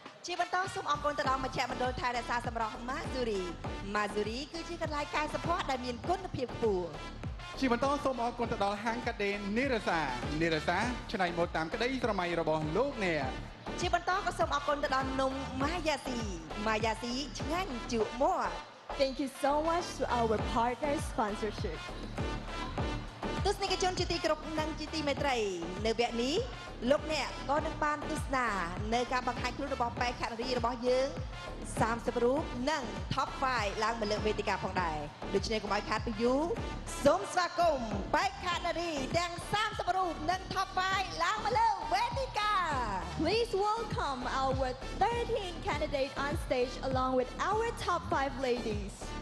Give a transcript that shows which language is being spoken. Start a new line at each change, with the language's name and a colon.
Khmer: ជាបន្តសូមអរគុណទៅដល់ម្ចាស់មណ្ឌលថែរក្សាសម្រស់ម៉ាឌូរីម៉ាឌូរីគឺជាកន្លែងកែសម្ផស្សដែលមានគុណភាពខ្ពស់ ជាបន្តសូមអរគុណទៅដល់ហាងកាដេនីរសានីរសាឆ្នៃម៉ូដតាមក្តីស្រមៃរបស់លោកអ្នក ជាបន្តក៏សូមអរគុណទៅដល់នំម៉ាយ៉ាទីម៉ាយ៉ាទីឆ្ងាញ់ជក់មាត់
English: Thank you so much to our partner sponsorship
Khmer: ទស្សនិកជនជាទីក្រុមនិងជាទីមេត្រីនៅវគ្គនេះលោកអ្នកក៏នឹងបានទស្សនានៅការបង្ហាញខ្លួនរបស់បេក្ខនារីរបស់យើង30រូបនិង Top 5ឡើងមកលើវេទិកាផងដែរដូច្នេះកុំឲ្យខាតពីយូរសូមស្វាគមន៍បេក្ខនារីទាំង30រូបនិង Top 5ឡើងមកលើវេទិកា
English: Please welcome our 13 candidates on stage along with our Top 5 ladies.